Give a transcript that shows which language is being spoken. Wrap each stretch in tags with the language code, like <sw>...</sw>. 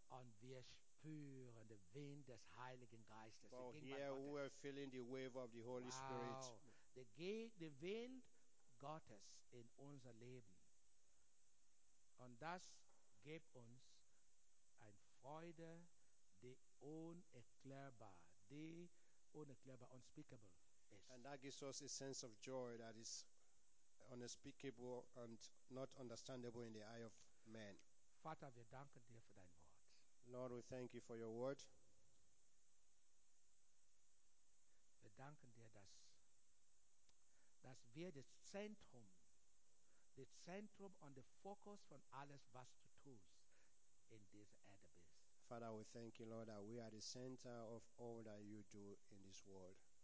<de>Und wir spüren den Wind des Heiligen Geistes.</de> <en>But here we are feeling the wave of the Holy wow. Spirit.</en> <de>The Wind Gottes in unser Leben. Und das gibt uns eine Freude, die unerklärbar, unspeakable ist.</de> <en>And that gives us a sense of joy that is unspeakable and not understandable in the eye of man.</en> <de>Vater, wir danken dir für dein Wort.</de> <en>Lord, we thank you for your word.</en> <de>Wir danken dir, dass wir das Zentrum und der Fokus von alles, was du tust in dieser Erde bist.</de> <en>Father, we thank you, Lord, that we are the center of all that you do in this world.</en>